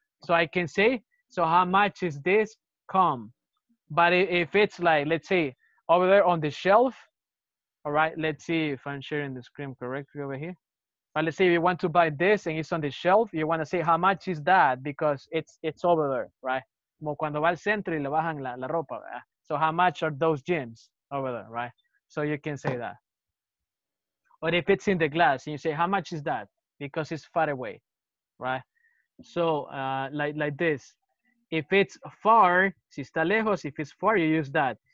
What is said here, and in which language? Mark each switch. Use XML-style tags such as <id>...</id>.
<en>So I can say, so how much is this? Come. But if it's like, let's say, over there on the shelf, all right, let's see if I'm sharing the screen correctly over here. But let's say you want to buy this and it's on the shelf, you want to say, how much is that? Because it's over there, right?</en> <es>Como cuando va al centro y le bajan la ropa, ¿verdad?</es> <en>So how much are those gems over there, right? So you can say that. Or if it's in the glass and you say, how much is that? Because it's far away, right? So like this. If it's far,</en> <es>si está lejos,</es> <en>if it's far, you use that.</en>